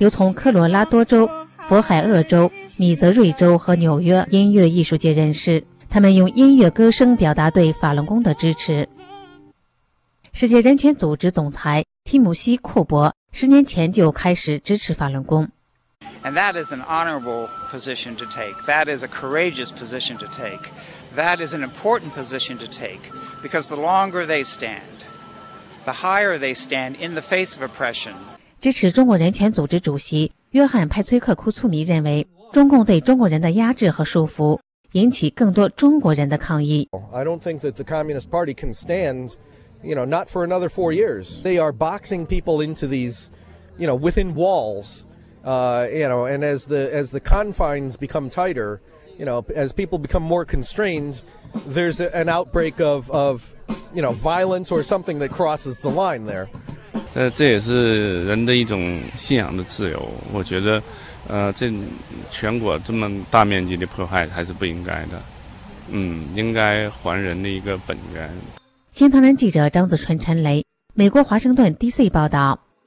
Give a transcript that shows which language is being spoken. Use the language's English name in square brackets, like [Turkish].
[Chinese] 由从科罗拉多州、渤海厄州、米泽瑞州和纽约音乐艺术界人士，他们用音乐歌声表达对法轮功的支持。世界人权组织总裁提姆西·库伯10年前就开始支持法轮功。 [English] And that is an honorable position to take. That is a courageous position to take. That is an important position to take. Because the longer they stand, the higher they stand in the face of oppression. [Chinese] 支持中国人权组织主席约翰·派崔克·库粗米认为，中共对中国人的压制和束缚引起更多中国人的抗议。 [English] I don't think that the Communist Party can stand, you know, not for another 4 years. They are boxing people into these, you know, within walls, you know, and as the confines become tighter, you know, as people become more constrained, there's an outbreak of, you know, violence or something that crosses the line there. [Chinese] 这也是人的一种信仰的自由，我觉得。这全国这么大面积的迫害还是不应该的，应该还人的一个本源。新唐人记者张子纯、陈雷，美国华盛顿 DC 报道。